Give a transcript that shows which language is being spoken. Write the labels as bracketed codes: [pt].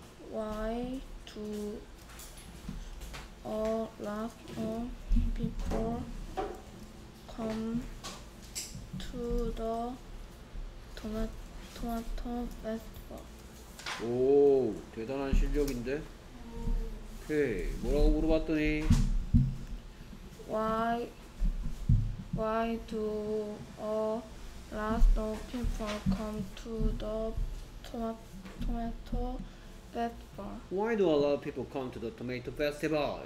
[en] Why do a lot of people come to the tomato festival? [ko] 오, 대단한 실력인데? 오케이, 뭐라고 물어봤더니? [en] Why do a lot of people come to the tomato festival? Why do a lot of people come to the tomato festival?